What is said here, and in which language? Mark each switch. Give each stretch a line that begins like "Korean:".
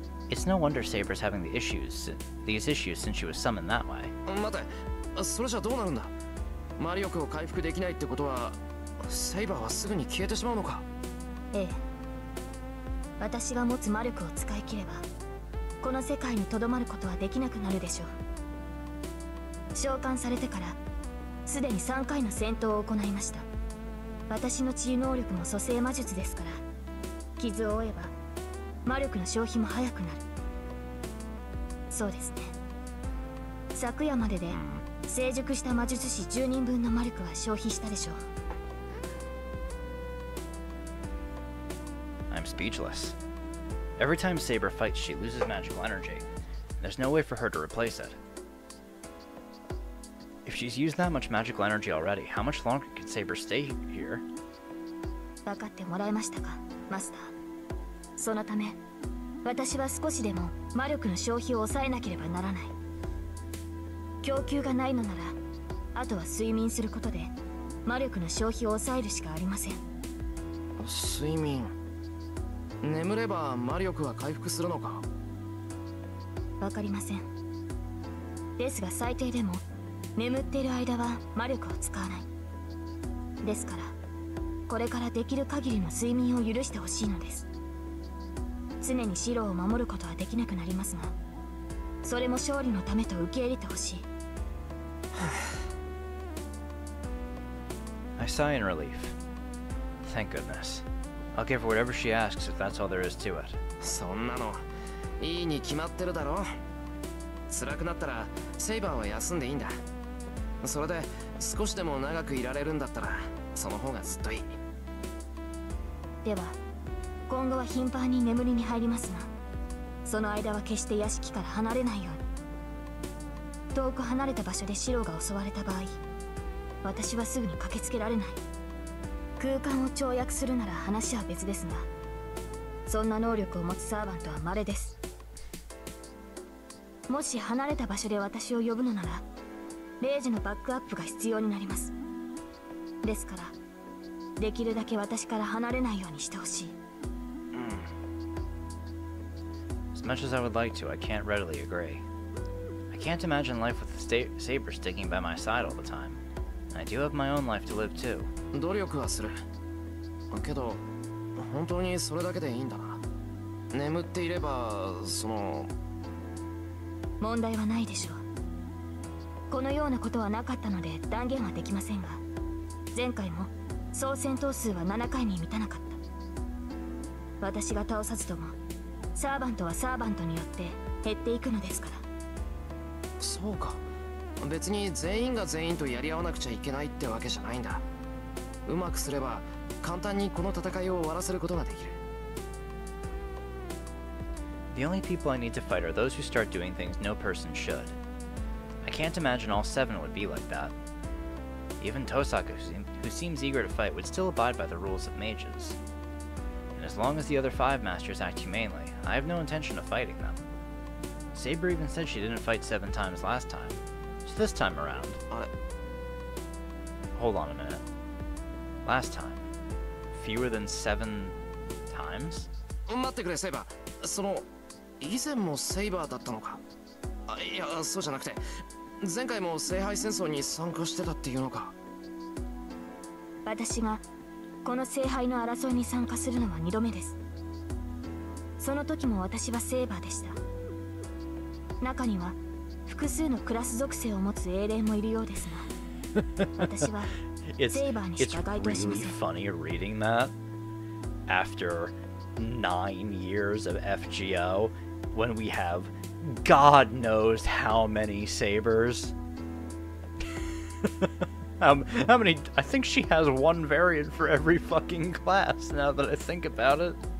English: It's no wonder Saber's having these issues since she was summoned that way. Wait,
Japanese: それじゃどうなるんだ？魔力を回復できないってことは、セイバーはすぐに消えてしまうのか？ええ。私が持つ魔力を使い切れば、この世界にとどまることはできなくなるでしょう。召喚されてから、すでに3回の戦闘を行いました。私の治癒能力も蘇生魔術ですから、傷を負えば魔力の消費も早くなる。そうですね。昨夜までで成熟した魔術師10人分の魔力は消費したでしょう。
English: I'm speechless. Every time Saber fights, she loses magical energy. There's no way for her to replace it. If she's used that much magical energy already, how much longer can Saber stay here?
Japanese: わかってもらえましたか、マスター。そのため、私は少しでも魔力の消費を抑えなければならない。供給がないのなら、あとは睡眠することで魔力の消費を抑えるしかありません。睡眠。眠れば魔力は回復するのか。わかりません。ですが最低でも眠っている間は魔力を使わない。ですから、これからできる限りの睡眠を許してほしいのです。常にシロを守ることはできなくなりますが、それも勝利のためと受け入れてほしい。
English: I sigh in relief. Thank goodness. I'll give her whatever she asks if that's all there is to it.
Japanese: そんなの、いいに決まってるだろう。辛くなったら、セイバーは休んでいいんだ。それで、少しでも長くいられるんだったら、その方がずっといい。では、今後は頻繁に眠りに入りますが、その間は決して屋敷から離れないように。遠く離れた場所でシロが襲われた場合、私はすぐに駆けつけられない。空間を跳躍するなら話は別ですが、そんな能力を持つサーバントは稀です。もし離れた場所で私を呼ぶのなら、レイジのバックアップが必要になります。ですから、できるだけ私から離れないようにしてほしい。
English: As much as I would like to, I can't readily agree. I can't imagine life with Saber sticking by my side all the time. And I do have my own life to live too.
Japanese: 努力はする。けど、本当にそれだけでいいんだな。眠っていれば、その… 問題はないでしょう。このようなことはなかったので断言はできませんが、前回も総戦闘数は7回に満たなかった。私が倒さずともサーヴァントはサーヴァントによって減っていくのですから。そうか、別に全員が全員とやり合わなくちゃいけないってわけじゃないんだ。うまくすれば簡単にこの戦いを終わらせることができる。
English: The only people I need to fight are those who start doing things no person should. I can't imagine all seven would be like that. Even Tosaka, who seems eager to fight, would still abide by the rules of mages. And as long as the other five masters act humanely, I have no intention of fighting them. Saber even said she didn't fight seven times last time. So this time around... Hold on a minute. Last time. Fewer than seven... times? Wait a minute, Saber. That... was it Saber before? No, that's not it. Last time I participated in the Seihai War?
Japanese: 私がこの聖杯の争いに参加するのは2度目です。その時も私はセーバーでした。中には複数のクラス属性を持つ英霊もいるようですが、私はセーバーにしか該当しません。
English: It's really funny reading that after 9 years of FGO when we have God knows how many sabers. How many? I think she has one variant for every fucking class, now that I think about it.